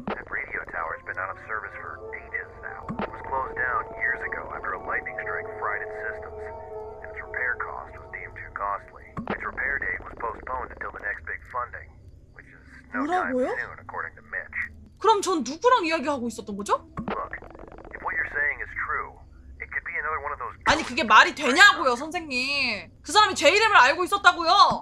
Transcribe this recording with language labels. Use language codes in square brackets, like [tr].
[en] That radio tower's been out of service for ages now. It was closed down years ago after a lightning strike fried its systems. And its repair cost was deemed too costly. Its repair date was postponed until the next big funding, which is no time soon, according to Mitch. [ko] 그럼 전 누구랑 이야기하고 있었던 거죠? [en] Look, if what you're saying is true, it could be another one of those. [ko] 아니 그게 말이 되냐고요, 선생님? 그 사람이 제 이름을 알고 있었다고요?